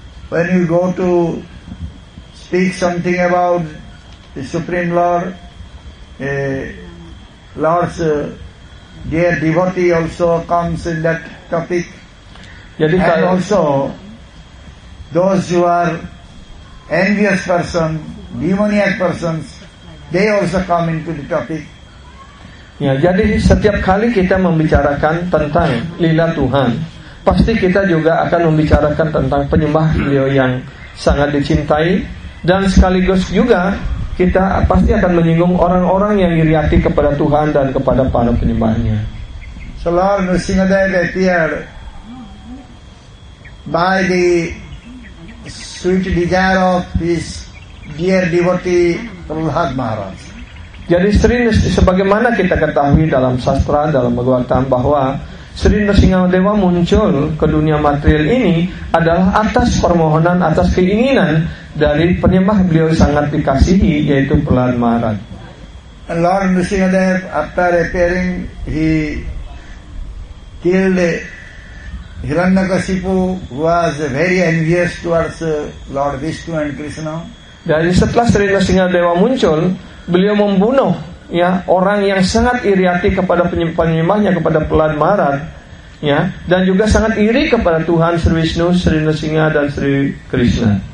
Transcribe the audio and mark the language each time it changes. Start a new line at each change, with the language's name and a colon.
English: When you go to speak something about the Supreme Lord, Lord's dear devotee also comes in that topic.
Indonesian: Jadi,
English: and also those who are envious person, demoniac persons, they also come into the topic.
Indonesian: Ya, jadi setiap kali kita membicarakan tentang lila Tuhan, pasti kita juga akan membicarakan tentang penyembah beliau yang sangat dicintai, dan sekaligus juga kita pasti akan menyinggung orang-orang yang iri hati kepada Tuhan dan kepada para penyembahnya.
English: So Lord Nrisimhadeva appeared by the sweet desire of his dear devotee Prahlad Maharaj.
Indonesian: Jadi Sri Nrisimha, sebagaimana kita ketahui dalam sastra, dalam Bhagavatam, bahwa Sri Nrisimhadeva muncul ke dunia material ini adalah atas permohonan, atas keinginan dari penyembah beliau sangat dikasihi, yaitu Prahlad Maharaj.
English: Lord Nrisimhadeva, after appearing, he killed Hiranyakashipu, who was very envious towards Lord Vishnu and Krishna.
Indonesian: Jadi setelah Sri Nrisimhadewa muncul, beliau membunuh ya orang yang sangat iri hati kepada penyembahnya, kepada Prahlad Maharaj, ya, dan juga sangat iri kepada Tuhan Sri Wisnu, Sri Nrisimha dan Sri Krishna.